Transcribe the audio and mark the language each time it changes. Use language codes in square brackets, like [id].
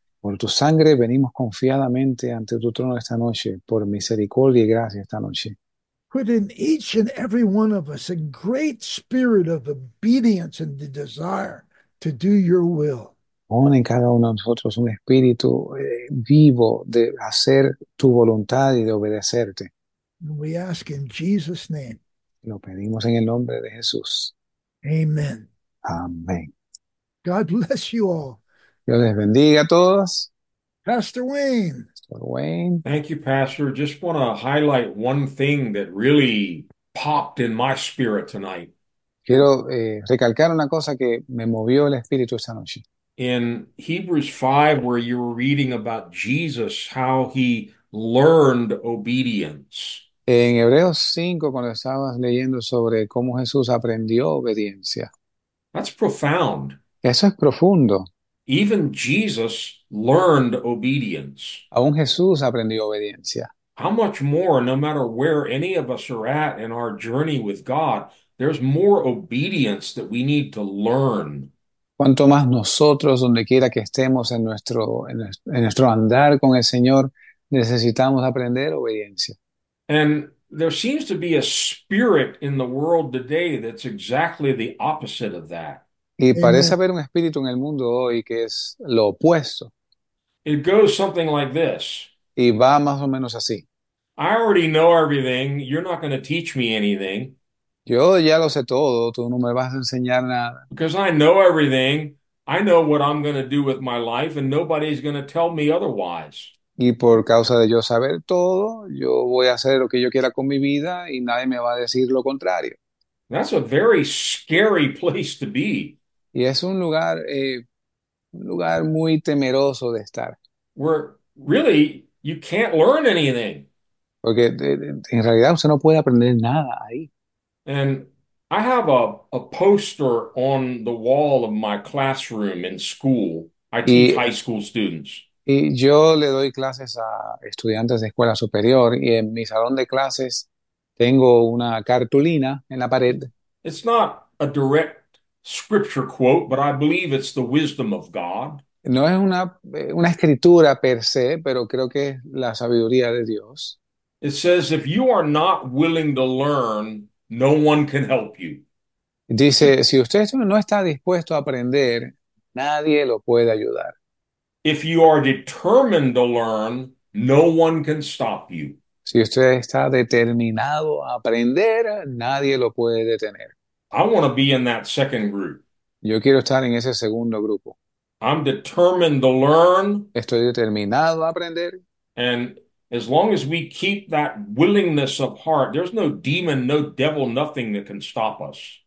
[es] Por tu sangre venimos confiadamente ante tu trono esta noche, por misericordia y gracia esta noche. [en] Put in each and every one of us a great spirit of obedience and the desire to do your will. [es] Pon en cada uno de nosotros un espíritu vivo de hacer tu voluntad y de obedecerte. [en] And we ask in Jesus' name. [es] Lo pedimos en el nombre de Jesús. [en] Amen. [es] Amén. [en] God bless you all. [es] Dios les bendiga a todos. [en] Pastor Wayne. [es] Pastor Wayne. [en] Thank you, Pastor. Just want to highlight one thing that really popped in my spirit tonight. [es] Quiero recalcar una cosa que me movió el espíritu esa noche. [en] In Hebrews 5, where you were reading about Jesus, how he learned obedience. [es] En Hebreos 5, cuando estabas leyendo sobre cómo Jesús aprendió obediencia, [en] That's profound. [es] eso es profundo. [en] Even Jesus learned obedience. [es] Aún Jesús aprendió obediencia. [en] How much more, no matter where any of us are at in our journey with God, there's more obedience that we need to learn. [es] Cuanto más nosotros, donde quiera que estemos en nuestro andar con el Señor, necesitamos aprender obediencia. [en] And there seems to be a spirit in the world today that's exactly the opposite of that. [es] Y parece [en] Amen. [es] haber un espíritu en el mundo hoy que es lo opuesto. [en] It goes something like this. [es] Y va más o menos así. [en] I already know everything. You're not going to teach me anything. [es] Yo ya lo sé todo, tú no me vas a enseñar nada. [en] Because I know everything. I know what I'm going to do with my life, and nobody's going to tell me otherwise. [es] Y por causa de yo saber todo, yo voy a hacer lo que yo quiera con mi vida y nadie me va a decir lo contrario. [en] That's a very scary place to be. [es] Y es un lugar muy temeroso de estar. [en] Where really you can't learn anything. [es] Porque en realidad usted no puede aprender nada ahí. [en] And I have a poster on the wall of my classroom in school. I teach high school students. [es] Y yo le doy clases a estudiantes de escuela superior y en mi salón de clases tengo una cartulina en la pared. [en] It's not a direct scripture quote, but I believe it's the wisdom of God. [es] No es una escritura per se, pero creo que es la sabiduría de Dios. [en] It says, if you are not willing to learn, no one can help you. [es] Dice, si usted no está dispuesto a aprender, nadie lo puede ayudar. [en] If you are determined to learn, no one can stop you. [es] Si usted está determinado a aprender, nadie lo puede detener. [en] I want to be in that second group. [es] Yo quiero estar en ese segundo grupo. [en] I'm determined to learn. [es] Estoy determinado a aprender. [en] And as long as we keep that willingness of heart, there's no demon, no devil, nothing that can stop us.